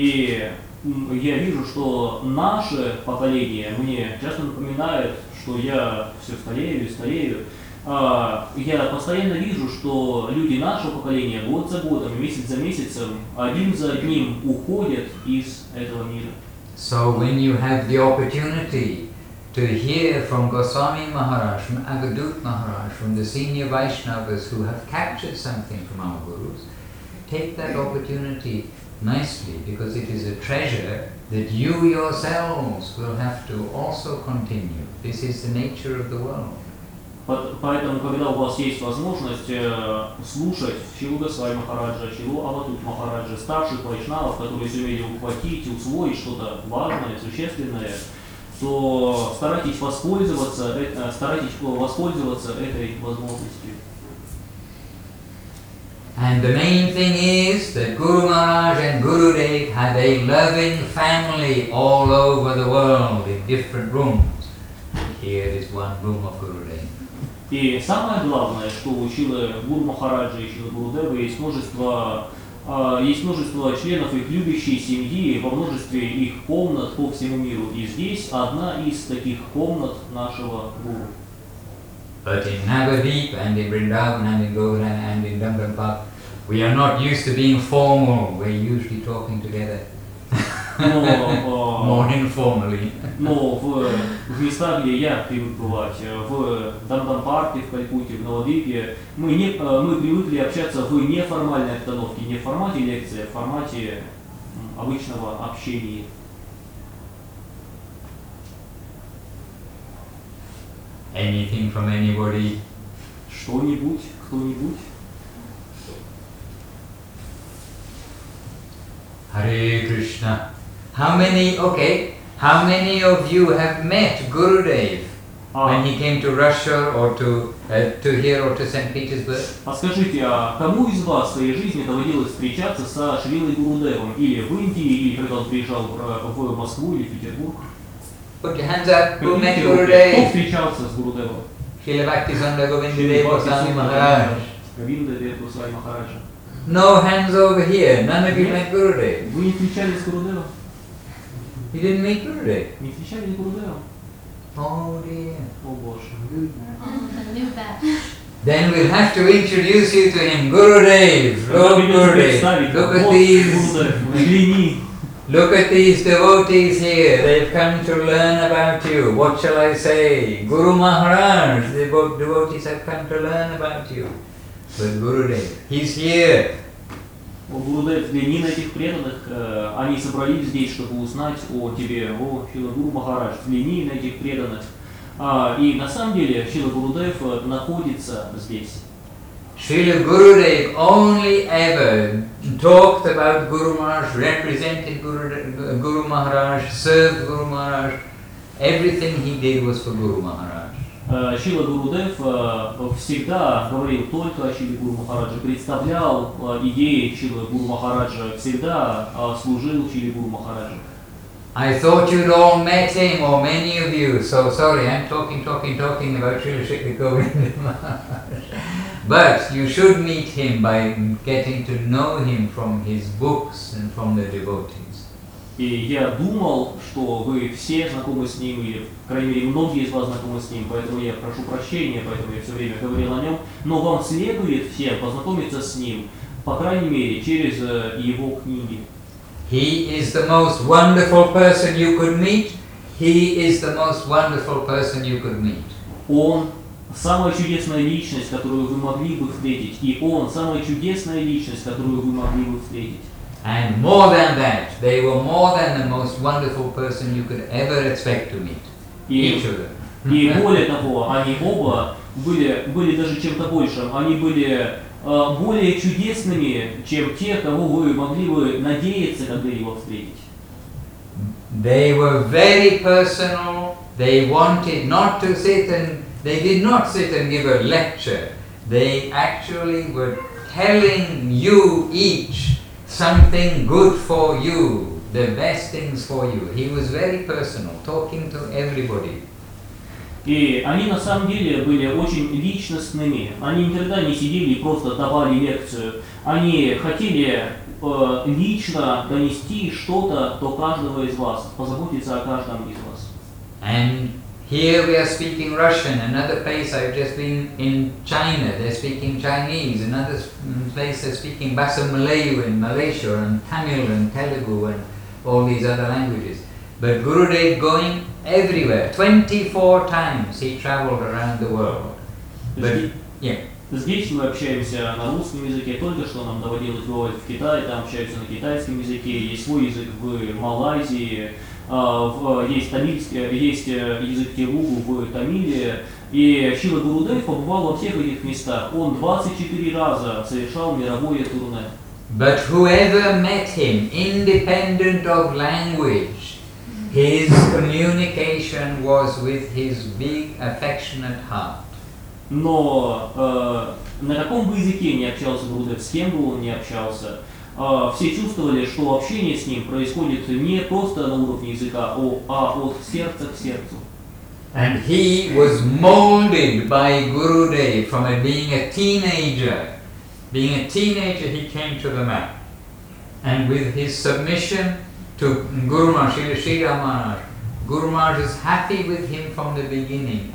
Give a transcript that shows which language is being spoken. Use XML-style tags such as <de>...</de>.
<ru>Я вижу, что наше поколение мне часто напоминает, что я все старею и старею. Я постоянно вижу, что люди нашего поколения год за годом, месяц за месяцем, один за одним уходят из этого мира.</ru> <en>So when you have the opportunity to hear from Goswami Maharaj, from Avadhut Maharaj, from the senior Vaishnavas who have captured something from our gurus, take that opportunity nicely, because it is a treasure that you yourselves will have to also continue. This is the nature of the world.</en> <ru>Поэтому, когда у вас есть возможность слушать Шрилу Госвами Махараджа, Шрилу Авадхут Махараджа, старших вайшнавов, которые сумели ухватить, усвоить что-то важное, существенное, то старайтесь воспользоваться этой возможностью.</ru> <en>And the main thing is that Guru Maharaj and Gurudev had a loving family all over the world in different rooms. And here is one room of Gurudev.</en> <ru>И самое главное, что учила Гуру Махараджа и Шрила Гурудева, есть множество членов их любящей семьи во множестве их комнат по всему миру. И здесь одна из таких комнат нашего Гуру.</ru> <en>But in Navadvip and in Vrindavan and in Govardhan and in Dhamrampak, we are not used to being formal. We're usually talking together. More informally.</en> <ru>Но в места, где я привык бывать, в Дандан-парке, в Калькутте, в Новодвипе, мы привыкли общаться в неформальной обстановке, не в формате лекции, а в формате обычного общения.</ru> <en>Anything from anybody?</en> <ru>Что-нибудь, кто-нибудь?</ru> <en>Hare Krishna. How many of you have met Gurudev when he came to Russia or to here or to St. Petersburg?</en> <ru>Подскажите, а кому из вас в своей жизни доводилось встречаться со Шрилой Гурудевом? Или в Индии, или когда он приезжал в Москву или в Петербург?</ru> <en>Put your hands up, who met Gurudev?</en> <ru>Кто встречался с Гурудевом? Шрила Бхакти Сандра Говиндадев Госвами Махарадж. Говиндадев Госвами Махарадж.</ru> <en>No hands over here. None of you met Gurudev.</en> <ru>Вы не встречались с Гурудевом?</ru> <en>He didn't meet Gurudev.</en> <ru>Не встречались с Гурудевом?</ru> <en>Oh dear.</en> <ru>Oh Боже.</ru> <en>I knew that. Then we'll have to introduce you to him. Gurudev. Oh Gurudev. Look at these. Look at these devotees here. They've come to learn about you. What shall I say? Guru Maharaj. The devotees have come to learn about you. But Gurudev, he's here.</en> <ru>Gurudev, взгляни на этих преданных, они собрались здесь, чтобы узнать о тебе. О, Шрила Гуру Махарадж, взгляни на этих преданных. И на самом деле Шрила Гурудев находится здесь.</ru> <en>Шрила Гурудев only ever talked about Guru Maharaj, represented Guru Maharaj, served Guru Maharaj. Everything he did was for Guru Maharaj.</en> <ru>Шрила Гурудев всегда говорил только о Шриле Гуру Махараджа, представлял идеи Шрилы Гуру Махараджа, всегда служил Шриле Гуру Махараджа.</ru> <en>I thought you'd all met him, or many of you, so sorry, I'm talking about Shrila Shikri Govinda Maharaj. But you should meet him by getting to know him from his books and from the devotees.</en> <ru>И я думал, что вы все знакомы с ним, или, крайней мере, многие из вас знакомы с ним, поэтому я прошу прощения, поэтому я все время говорил о нем. Но вам следует всем познакомиться с ним, по крайней мере, через его книги.</ru> <en>He is the most wonderful person you could meet. He is the most wonderful person you could meet.</en> <ru>Он самая чудесная личность, которую вы могли бы встретить. И он самая чудесная личность, которую вы могли бы встретить.</ru> <en>And more than that, they were more than the most wonderful person you could ever expect to meet. Each of them.</en> <ru>И более того, они оба были даже чем-то большим. Они были более чудесными, чем те, кого вы могли бы надеяться когда-либо встретить.</ru> <en>They were very personal. They wanted not to sit and they did not sit and give a lecture. They actually were telling you each something good for you, the best things for you. He was very personal, talking to everybody.</en> <ru>И они на самом деле были очень личностными. Они никогда не сидели и просто давали лекцию. Они хотели лично донести что-то до каждого из вас, позаботиться о каждом из вас.</ru> <en>And here we are speaking Russian. Another place I've just been in China. They're speaking Chinese. Another place they're speaking Bahasa Melayu in Malaysia and Tamil and Telugu and all these other languages. But Gurudev going everywhere. 24 times he traveled around the world. But, yeah.</en> <ru>Здесь мы общаемся на русском языке. Только что нам доводилось говорить в Китае. Там общаемся на китайском языке. Есть свой язык в Малайзии. Есть тамильский, есть язык телугу в Тамиле, и Шрила Гурудев побывал во всех этих местах. Он 24 раза совершал мировое турне.</ru> <en>But whoever met him, independent of language, his communication was with his big affectionate heart.</en> <ru>Но на каком бы языке ни общался Гурудев, с кем бы он ни общался, все чувствовали, что общение с ним происходит не просто на уровне языка, а от сердца к сердцу.</ru> <en>And he was molded by Gurudev from being a teenager. Being a teenager, he came to the mat. And with his submission to Guru Maharaj, Shrila Maharaj, Guru Maharaj was happy with him from the beginning.</en>